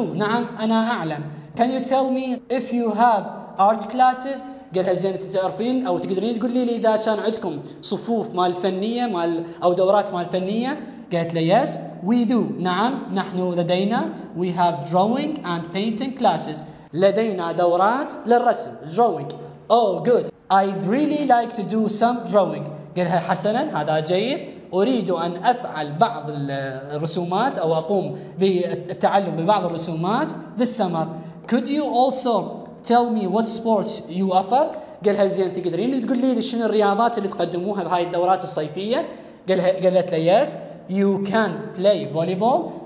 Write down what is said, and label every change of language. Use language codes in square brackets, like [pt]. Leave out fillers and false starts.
[ar] نعم أنا أعلم. [en] Can you tell me if you have art classes؟ [ar] قالها زين تعرفين أو تقدرين تقول لي إذا كان عندكم صفوف مال فنية مال أو دورات مال فنية؟ قالت له [en] Yes, we do. [ar] نعم نحن لدينا [en] We have drawing and painting classes. [ar] لدينا دورات للرسم drawing. [en] Oh good, I'd really like to do some drawing. [ar] قالها حسنا هذا جيد، أريد أن أفعل بعض الرسومات أو أقوم بالتعلم ببعض الرسومات [en] this summer. Could you also tell me what sports you offer؟ [ar] قالها زين تقدرين تقول لي شنو الرياضات اللي تقدموها بهاي الدورات الصيفية؟ قالت له [en] yes, you can play volleyball.